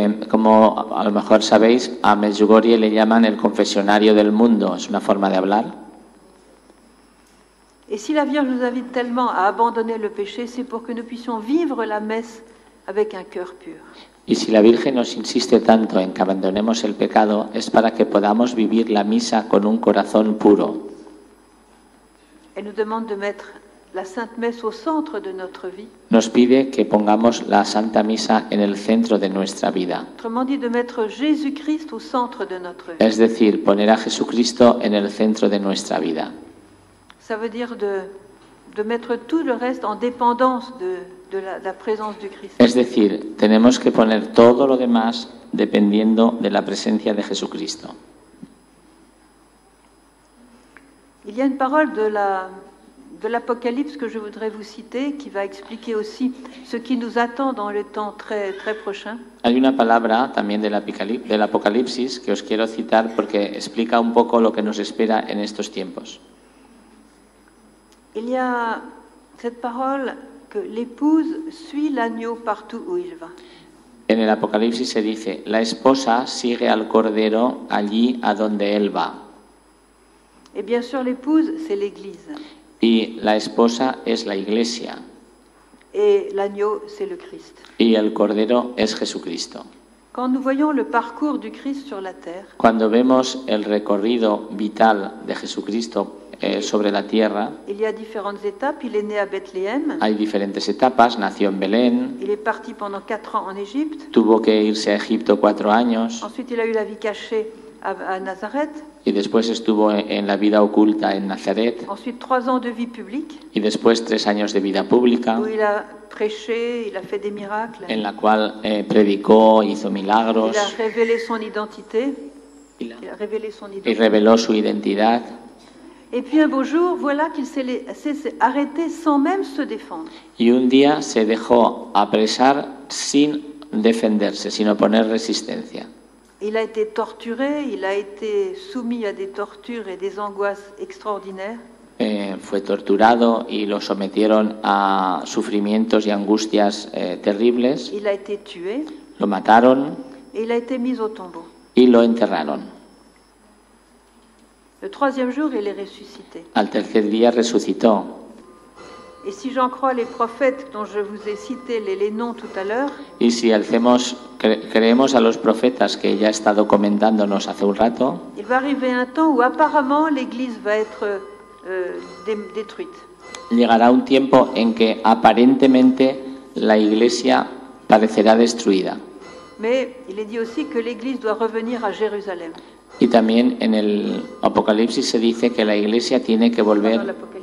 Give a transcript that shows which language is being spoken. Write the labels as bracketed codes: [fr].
[es] Como a lo mejor sabéis, a Medjugorje le llaman el confesionario del mundo, es una forma de hablar. [fr] Et si la Vierge nous invite tellement à abandonner le péché, c'est pour que nous puissions vivre la messe avec un cœur pur. [es] Y si la Virgen nos insiste tanto en que abandonemos el pecado, es para que podamos vivir la misa con un corazón puro. [fr] Elle nous demande de mettre la Sainte Messe au centre de notre vie. [es] Nos pide que pongamos la Santa Misa en el centro de nuestra vida. [fr] Autrement dit, de mettre Jésus-Christ au centre de notre vie. [es] Es decir, poner a Jesucristo en el centro de nuestra vida. [fr] Ça veut dire de mettre tout le reste en dépendance de la présence du Christ. [es] Es decir, tenemos que poner todo lo demás dependiendo de la presencia de Jesucristo. [fr] Il y a une parole de l'Apocalypse que je voudrais vous citer qui va expliquer aussi ce qui nous attend dans le temps très très prochain. [es] Hay una palabra también del Apocalipsis que os quiero citar porque explica un poco lo que nos espera en estos tiempos. [fr] Il y a cette parole que l'épouse suit l'agneau partout où il va. [es] En el Apocalipsis se dice, la esposa sigue al cordero allí a donde él va. [fr] Et bien sûr, l'épouse, c'est l'Église. [es] Y la esposa es la Iglesia. [fr] Et l'agneau, c'est le Christ. [es] Y el cordero es Jesucristo. [fr] Quand nous voyons le parcours du Christ sur la terre, [es] cuando vemos el recorrido vital de Jesucristo sobre la tierra. [fr] Il y a différentes étapes. Il est né à Bethléem. [es] Hay diferentes etapas. Nació en Belén. [fr] Il est parti pendant 4 ans en Égypte. [es] Tuvo que irse a Egipto 4 años. [fr] Ensuite, il a eu la vie cachée à Nazareth. [es] Y después estuvo en la vida oculta en Nazaret. [fr] Ensuite, 3 ans de vie publique. [es] Y después 3 años de vida pública. [fr] Où il a prêché, il a fait des miracles. [es] En la cual predicó, hizo milagros. [fr] Il a révélé son identité. [es] Y reveló su identidad. [fr] Et puis un beau jour, voilà qu'il s'est arrêté sans même se défendre. [es] Y un día se dejó apresar sin defenderse, sin oponer resistencia. [fr] Il a été torturé, il a été soumis à des tortures et des angoisses extraordinaires. [es] Fue torturado y lo sometieron a sufrimientos y angustias terribles. [fr] Il a été tué. [es] Lo mataron. [fr] Et il a été mis au tombeau. [es] Y lo enterraron. [fr] Le troisième jour, il est ressuscité. [es] Al tercer día resucitó. [fr] Et si j'en crois les prophètes dont je vous ai cité les noms tout à l'heure. [es] Y si creemos a los profetas que ya ha estado comentándonos hace un rato. [fr] Il va arriver un temps où apparemment l'Église va être détruite. [es] Llegará un tiempo en que aparentemente la Iglesia parecerá destruida. [fr] Mais il est dit aussi que l'Église doit revenir à Jérusalem. [es] Y también en el Apocalipsis se dice que la Iglesia tiene que volver.